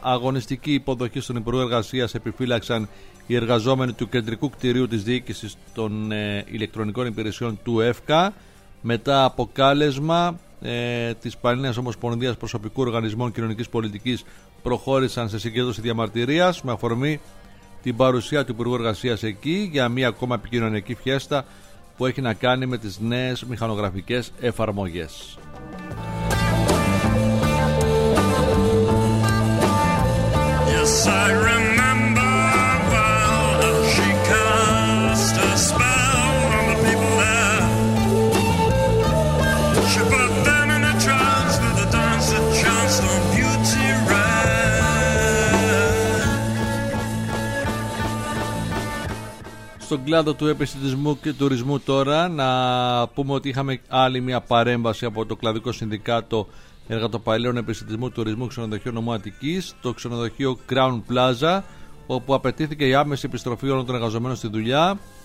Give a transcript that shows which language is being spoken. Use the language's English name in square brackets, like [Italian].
[Greek] Αγωνιστική υποδοχή στον Υπουργό Εργασίας επιφύλαξαν οι εργαζόμενοι του κεντρικού κτηρίου της διοίκησης των ηλεκτρονικών υπηρεσιών του ΕΦΚΑ μετά από κάλεσμα της Πανελλήνιας Ομοσπονδίας Προσωπικού Οργανισμών Κοινωνικής Πολιτικής. Προχώρησαν σε συγκέντρωση διαμαρτυρίας με αφορμή την παρουσία του Υπουργού Εργασίας εκεί για μια ακόμα επικοινωνιακή φιέστα που έχει να κάνει με τις νέες μηχανογραφικές εφαρμογές. [English] Yes, I remember well how she cast a spell on the people there. She put them in a trance with a dance that chanced on beauty rare. [Greek] Στον κλάδο του επιστημισμού και τουρισμού τώρα, να πούμε ότι είχαμε άλλη μια παρέμβαση από το κλαδικό συνδικάτο Εργατοπαλαίων Επιστημισμού Τουρισμού Ξενοδοχείου Νομού Αττικής, το ξενοδοχείο Crown Plaza, όπου απαιτήθηκε η άμεση επιστροφή όλων των εργαζομένων στη δουλειά.